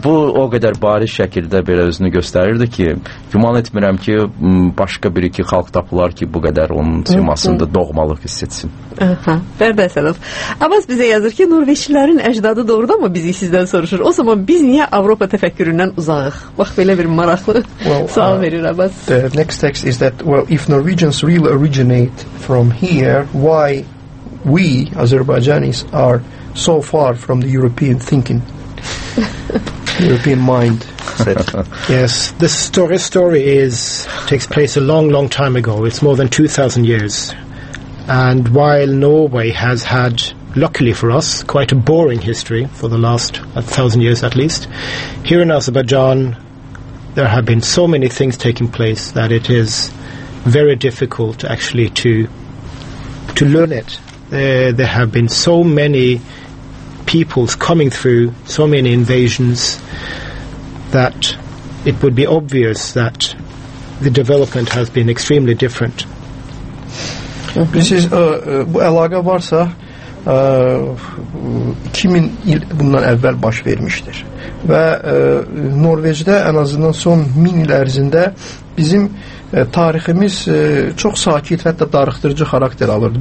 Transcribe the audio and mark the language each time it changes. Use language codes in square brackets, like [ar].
[az] Bu o qədər bariz şəkildə belə özünü göstərirdi ki, güman etmirəm ki, başqa bir iki xalq tapılar ki, bu qədər onun temasında doğmalıq hiss etsin. Bərbər Səlov. Abbas bizə yazır ki, Norveçlilərin əcdadı doğrudan mı bizi sizdən soruşur? O zaman biz niyə Avropa təfəkküründən uzaqıq? Bax, belə bir maraqlı sual verir Abbas. [en] The next text is that, well, if Norwegians really originate from here, why we, Azerbaijanis, are so far from the European thinking, European mind. Yes, this story takes place a long, long time ago. It's more than 2,000 years. And while Norway has had, luckily for us, quite a boring history for the last 1,000 years at least, here in Azerbaijan, there have been so many things taking place that it is very difficult actually to learn it. There have been so many peoples coming through, so many invasions, that it would be obvious that the development has been extremely different. This is [az] bu əlaqə varsa 2000 il bundan əvvəl baş vermişdir. Və Norveçdə ən azından son 1000 il ərzində bizim tariximiz çox sakit, hətta darıxdırıcı xarakter alırdı.